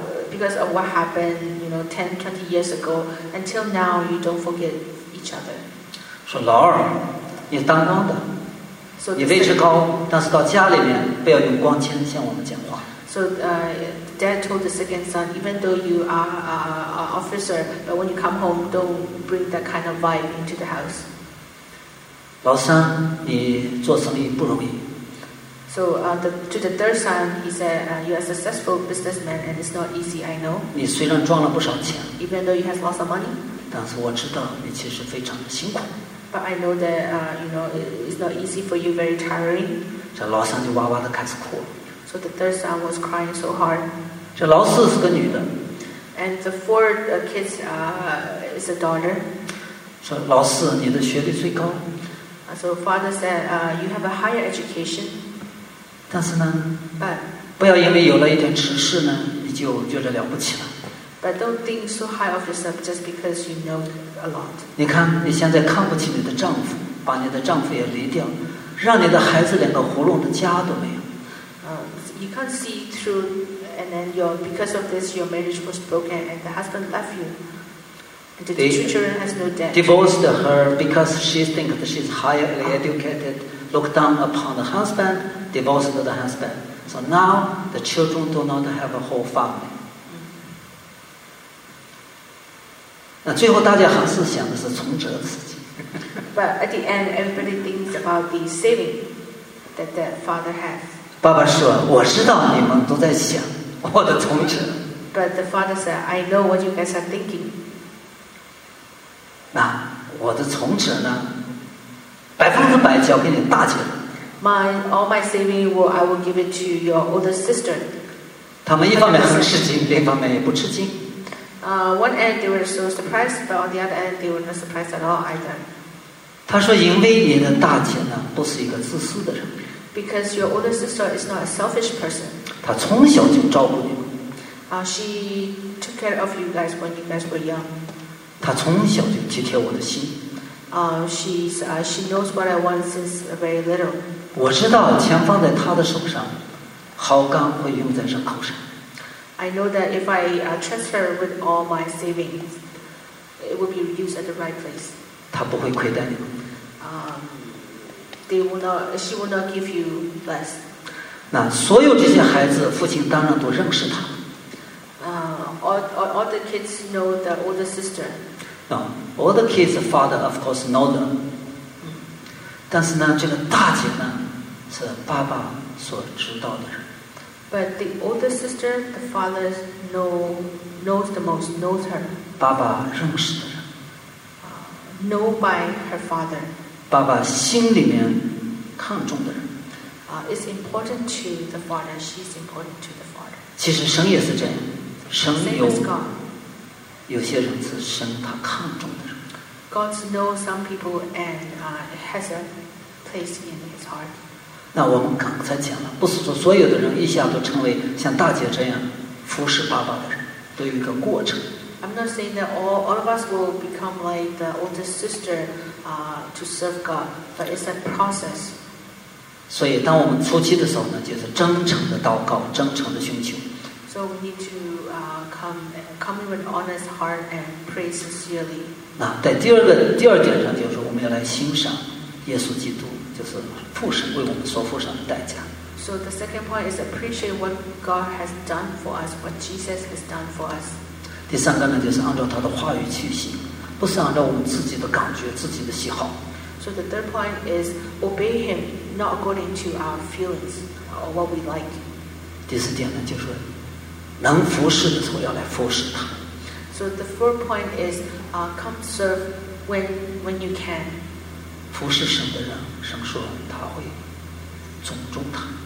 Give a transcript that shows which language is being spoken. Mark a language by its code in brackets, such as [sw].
[en] Because of what happened, you know, 10-20 years ago, until now you don't forget each other. [zh] 说老二，你当官的。你位置高，但是到家里面不要用光纤向我们讲话。 [en] So, Dad told the second son, even though you are an officer, but when you come home, don't bring that kind of vibe into the house. [zh] 老三，你做生意不容易。 [en] So, to the third son, he said, you are a successful businessman, and it's not easy, I know. [zh] 你虽然赚了不少钱。 [en] Even though you have lots of money. [zh] 但是我知道你其实非常的辛苦。 [en] But I know that you know it's not easy for you, very tiring. [zh] 这老三就哇哇的开始哭了。 [en] So the third son was crying so hard. [zh] 这老四是个女的。 [en] And the fourth kid is a daughter. [zh] 说老四，你的学历最高。 [en] So father said, you have a higher education. [zh] 但是呢， [en] But, [zh] 不要因为有了一点知识呢，你就觉得了不起了。 [en] But don't think so high of yourself just because you know a lot. 你看，你现在看不起你的丈夫，把你的丈夫也离掉，让你的孩子连个活动的家都没有。 You can't see through, and then your because of this, your marriage was broken, and the husband left you. And the two children has no dad. Divorced her because she thinks that she's highly educated, looked down upon the husband, divorced the husband. So now the children do not have a whole family. [zh] 那最后大家还是想的是存折的事情。 [en] But at the end, everybody thinks about the saving that the father has. [zh] 爸爸说：“我知道你们都在想我的存折。” [en] But the father said, "I know what you guys are thinking." [zh] 那我的存折呢？100%交给你大姐。 [en] All my saving, I will give it to your older sister. [zh] 他们一方面很吃惊，另一方面也不吃惊。 [en] One end they were so surprised, but on the other end they were not surprised at all either. [zh] 他说：“因为你的大姐呢，不是一个自私的人。” [en] Because your older sister is not a selfish person. [zh] 她从小就照顾你们。 [en] She took care of you guys when you guys were young. [zh] 她从小就体贴我的心。 [en] She knows what I want since very little. [zh] 我知道钱放在她的手上，好钢会用在人口上。 [en] I know that if I transfer with all my savings, it will be used at the right place. [zh] 他不会亏待你。 [en] She will not give you less. [zh] 那所有这些孩子，父亲当然都认识他。 [en] All the kids know the older sister. No, all the kids' father, of course, know them. [zh] 但是呢，这个大姐呢，是爸爸所知道的人。 [en] But the older sister, the father knows the most, knows her. [zh] 爸爸认识的人。 [en] Know by her father. [zh] 爸爸心里面看重的人。 [en] It's important to the father. She's important to the father. [zh] 其实神也是这样，神有 [en] God. [zh] 有些人是神他看重的人。 [en] God knows some people and has a place in his heart. [zh] 那我们刚才讲了，不是说所有的人一下都成为像大姐这样服侍爸爸的人，都有一个过程。 [en] I'm not saying that all of us will become like the older sister, to serve God, but it's a process. [zh] 所以，当我们初期的时候呢，就是真诚的祷告，真诚的寻求。 [en] So we need to come with an honest heart and pray sincerely. [zh] 那在第二点上，就是我们要来欣赏耶稣基督就是父神为我们所付上的代价。 [en] So the second point is appreciate what God has done for us, what Jesus has done for us. [zh] 第三个呢，就是按照他的话语去行，不是按照我们自己的感觉、自己的喜好。 [en] So the third point is obey Him, not according to our feelings or what we like. [zh] 第四点呢，就是能服侍的时候要来服侍他。 [en] So the fourth point is, come serve when you can. [zh] 服侍神的人，神说他会尊重他。